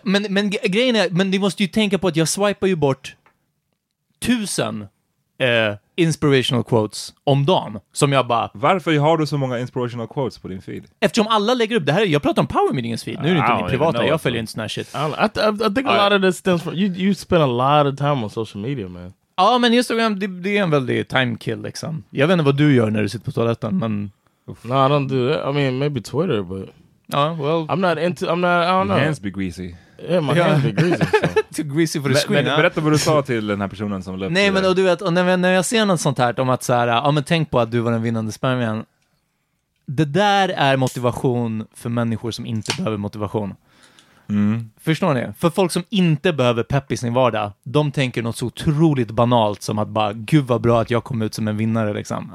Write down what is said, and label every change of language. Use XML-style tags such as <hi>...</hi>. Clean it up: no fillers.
<sv>Men grejen är, men du måste ju tänka på att jag swipar ju bort 1000 inspirational quotes om dagen. Som jag bara... Varför har du så många inspirational quotes på din feed? Eftersom alla lägger upp det här. Jag pratar om Power Meetings feed. Nu är det inte min privata. Jag följer inte sån här shit.</sv> <en>I think a lot of this stems from... You spend a lot of time on social media, man.</en> <sv>Ja, men Instagram, det är en väldigt time kill, liksom. Jag vet inte vad du gör när du sitter på toaletten, men...</sv> <en>No, I don't do that. I mean, maybe Twitter, but... Well... I don't know. Hands be greasy. Yeah, my hands be greasy, too greasy for the screen.</en> <sv>Men berätta vad du sa till den här personen som löpte. Nej, men och du vet, och när jag ser något sånt här om att så här, men tänk på att du var den vinnande spermien. Det där är motivation för människor som inte behöver motivation. Mm. Förstår ni? För folk som inte behöver pepp i sin vardag, de tänker något så otroligt banalt som att bara, gud vad bra att jag kom ut som en vinnare, liksom.</sv>